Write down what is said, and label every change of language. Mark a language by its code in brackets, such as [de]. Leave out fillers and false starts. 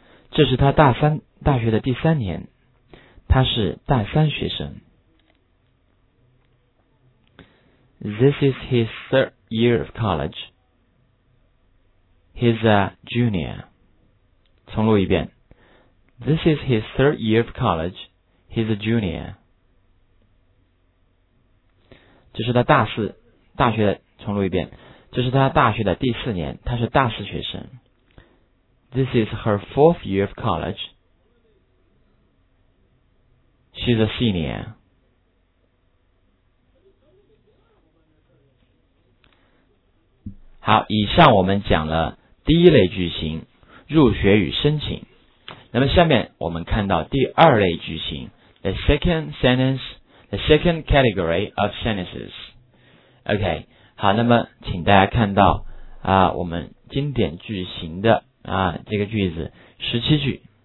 [zh] 这是他大三大学的第三年，他是大三学生。 [en] This is his third year of college. He's a junior. [zh] 重录一遍。 [en] This is his third year of college. He's a junior. [zh] 这是他大四大学的，重录一遍。这是他大学的第四年，他是大四学生。 [en] This is her fourth year of college. She's a senior. [zh] 好，以上我们讲了第一类句型，入学与申请。那么下面我们看到第二类句型， [en] the second sentence, the second category of sentences. [zh] OK, 好，那么请大家看到啊，我们经典句型的啊，这个句子17句。